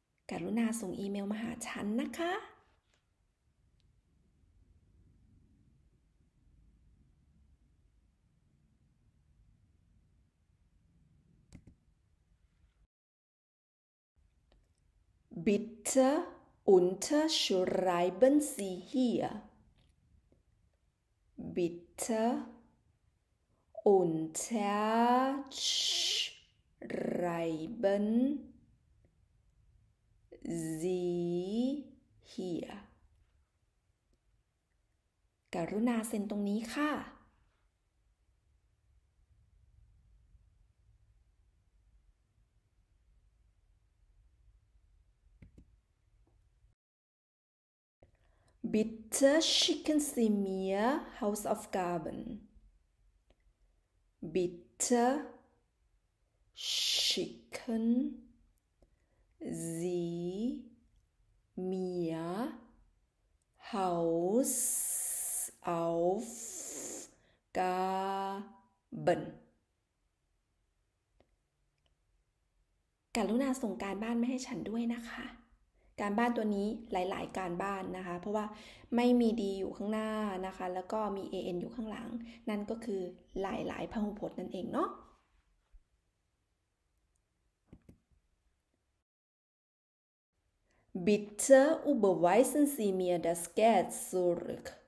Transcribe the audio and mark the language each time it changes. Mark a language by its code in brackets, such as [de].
[th] กรุณาส่งอีเมลมาหาฉันนะคะ [de] Bitte unterschreiben Sie hier. Bitte unterschreiben Sie hier. [th] กรุณาเซ็นตรงนี้ค่ะ [de] Bitte schicken Sie mir Hausaufgaben. Bitte schicken Sie mir Hausaufgaben. [th] กรุณาส่งการบ้านมาให้ฉันด้วยนะคะการบ้านตัวนี้หลายๆการบ้านนะคะเพราะว่าไม่มี D อยู่ข้างหน้านะคะแล้วก็มี AN อยู่ข้างหลังนั่นก็คือหลายๆพหูพจน์นั่นเองเนาะ [de] Bitte überweisen Sie mir das Geld zurück.